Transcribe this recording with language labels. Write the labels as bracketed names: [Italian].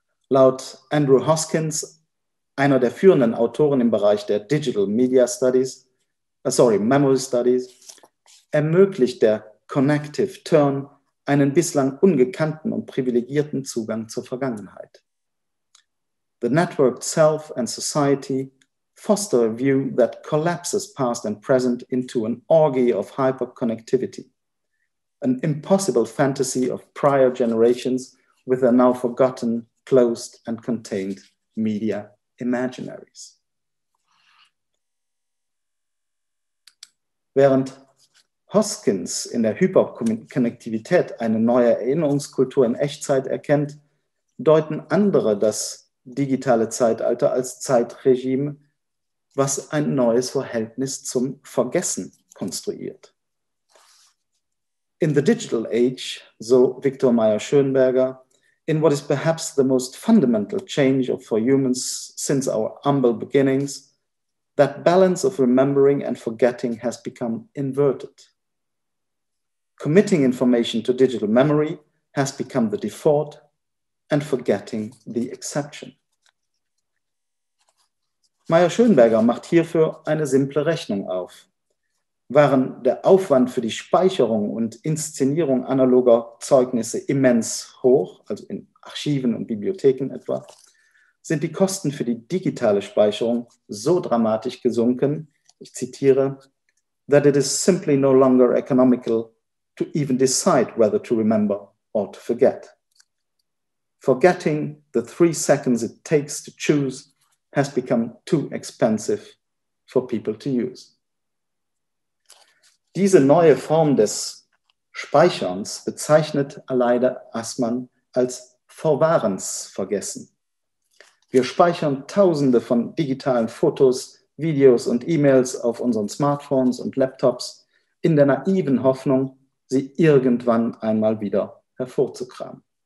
[German] Laut Andrew Hoskins, einer der führenden Autoren im Bereich der Digital Media Studies, Memory Studies, ermöglicht der Connective Turn einen bislang ungekannten und privilegierten Zugang zur Vergangenheit. [English] The networked self and society foster a view that collapses past and present into an orgy of hyperconnectivity, an impossible fantasy of prior generations with their now forgotten, closed and contained media imaginaries. [German] Während Hoskins in der Hyperkonnektivität eine neue Erinnerungskultur in Echtzeit erkennt, deuten andere das digitale Zeitalter als Zeitregime, was ein neues Verhältnis zum Vergessen konstruiert. [English] In the digital age, so Viktor Mayer-Schönberger, in what is perhaps the most fundamental change for humans since our humble beginnings, that balance of remembering and forgetting has become inverted. Committing information to digital memory has become the default and forgetting the exception. [German] Mayer-Schönberger macht hierfür eine simple Rechnung auf. Waren der Aufwand für die Speicherung und Inszenierung analoger Zeugnisse immens hoch, also in Archiven und Bibliotheken etwa, sind die Kosten für die digitale Speicherung so dramatisch gesunken, ich zitiere, [English] that it is simply no longer economical to even decide whether to remember or to forget. Forgetting the 3 seconds it takes to choose has become too expensive for people to use. [German] Diese neue Form des Speicherns bezeichnet Aleida Aßmann als Verwahrensvergessen. Wir speichern tausende von digitalen Fotos, Videos und E-Mails auf unseren Smartphones und Laptops in der naiven Hoffnung, sie irgendwann einmal wieder hervorzukramen.